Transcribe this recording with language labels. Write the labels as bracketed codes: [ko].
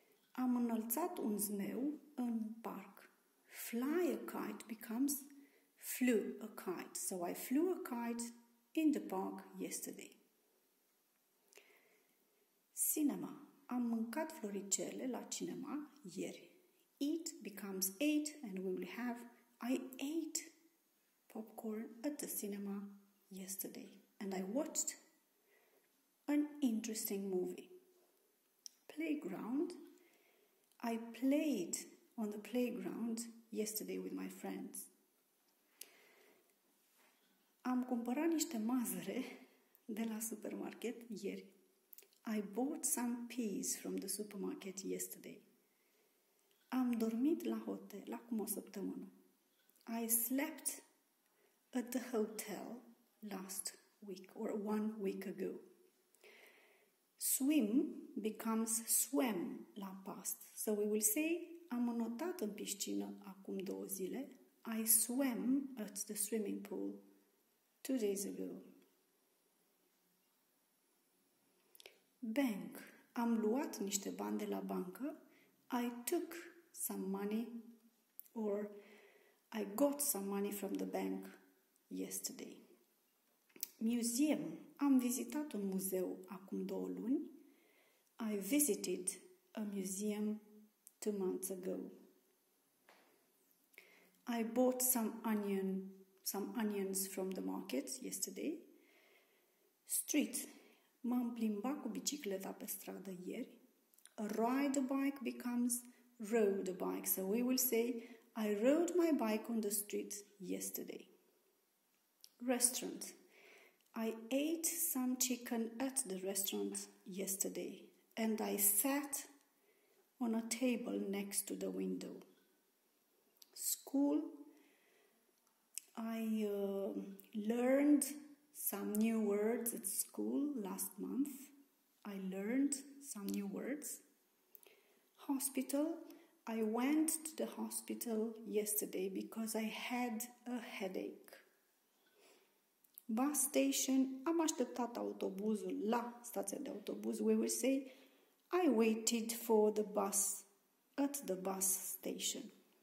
[ro] Am înălțat un zmeu în parc. [en] Fly a kite becomes flew a kite. So I flew a kite in the park yesterday. [ro] Cinema. Am mâncat floricele la cinema ieri. [en] Eat becomes ate and we will have I ate popcorn at the cinema yesterday. And I watched an interesting movie. Playground. I played on the playground yesterday with my friends. [ro] am cumpărat niște mazăre de la supermarket ieri. [en] I bought some peas from the supermarket yesterday. [ro] Am dormit la hotel acum o săptămână. [en] I slept at the hotel last week or 1 week ago. Swim becomes swam la past. So we will say, [ro] am înotat în piscină acum 2 zile. [en] I swam at the swimming pool 2 days ago. Bank. [ro] Am luat niște bani de la bancă. [en] I took some money or I got some money from the bank yesterday. Museum. [ro] Am vizitat un muzeu acum 2 luni. [en] I visited a museum 2 months ago. I bought some onions from the market yesterday. Street. [ro] M-am plimbat cu bicicleta pe stradă ieri. [en] Ride a bike becomes rode a bike. So we will say, I rode my bike on the street yesterday. Restaurant. I ate some chicken at the restaurant yesterday. And I sat on a table next to the window. School. I learned some new words at school last month. I learned some new words. Hospital. I went to the hospital yesterday because I had a headache. Bus station. [ro] Am așteptat autobuzul la stația de autobuz. [en] We will say, I waited for the bus at the bus station.